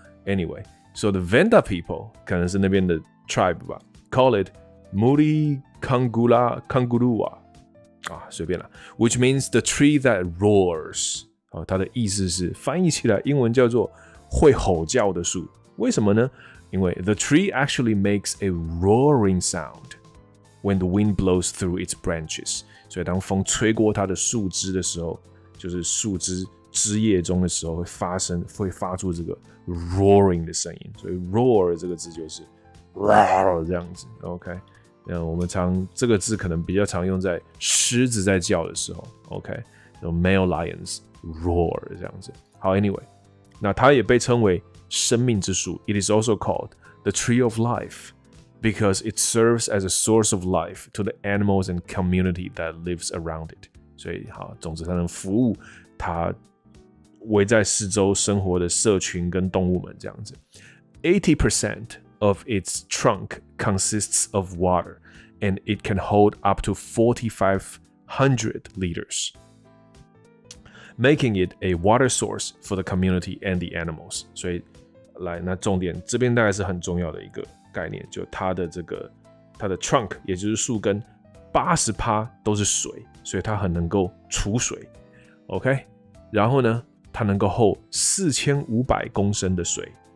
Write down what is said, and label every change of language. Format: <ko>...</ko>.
<en>Anyway, so the Venda people</en> <zh>可能是那边的</zh> <en>tribe</en> <zh>吧</zh> <en>，call it Muri Kangula Kangurua 啊，</en> <zh>随便啦</zh> <en>，which means the tree that roars.</en> <zh>哦、它的意思是翻译起来英文叫做会吼叫的树。为什么呢？因为</zh> <en>the tree actually makes a roaring sound when the wind blows through its branches.</en> <zh>所以当风吹过它的树枝的时候，就是树枝枝叶中的时候会发生，会发出这个 roaring 的声音。所以 roar 这个字就是 roar 这样子。 OK， 那我们常这个字可能比较常用在狮子在叫的时候。 OK， 那</zh> <en>male lions。</en> <zh>Roar 这样子。好 ，Anyway， 那它也被称为生命之树。</zh> <en>It is also called the tree of life because it serves as a source of life to the animals and community that lives around it。</en> <zh>所以，好，总之它能服务它围在四周生活的社群跟动物们这样子。</zh> <en>80% of its trunk consists of water, and it can hold up to 4,500 liters. Making it a water source for the community and the animals.</en> <zh>所以，来，那重点这边大概是很重要的一个概念，就它的这个它的 trunk， 也就是树根，80%都是水，所以它很能够储水。 OK， 然后呢，它能够 hold 4,500公升的水。</zh>